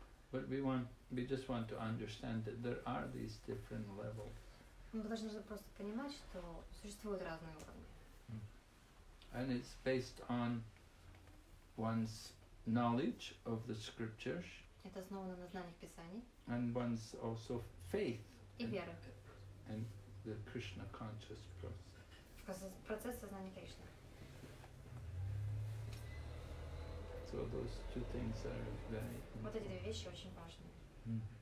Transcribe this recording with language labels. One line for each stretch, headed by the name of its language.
English: But we just want to understand that there are these different levels.
Russian: Мы должны просто понимать, что существуют разные уровни.
English: And it's based on one's knowledge of the scriptures.
Russian: Это основано на знаниях писаний.
English: And one's also faith.
Russian: И вера.
English: And the Krishna conscious process.
Russian: Процесс сознания Кришны.
English: So those two things are very important.
Russian: Вот эти две вещи очень важны.